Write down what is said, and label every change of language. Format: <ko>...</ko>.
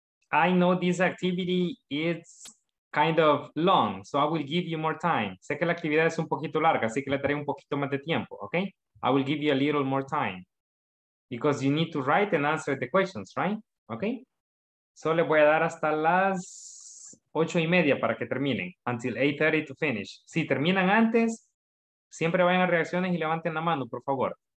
<en>I know this activity is kind of long, so I will give you more time.</en> <es>Sé que la actividad es un poquito larga, así que le daré un poquito más de tiempo, okay?</es> <en>I will give you a little more time because you need to write and answer the questions, right? Okay?</en> <es>So le voy a dar hasta las 8:30 para que terminen,</es> <en>until 8:30 to finish.</en> <es>Si terminan antes, siempre vayan a reacciones y levanten la mano, por favor.</es>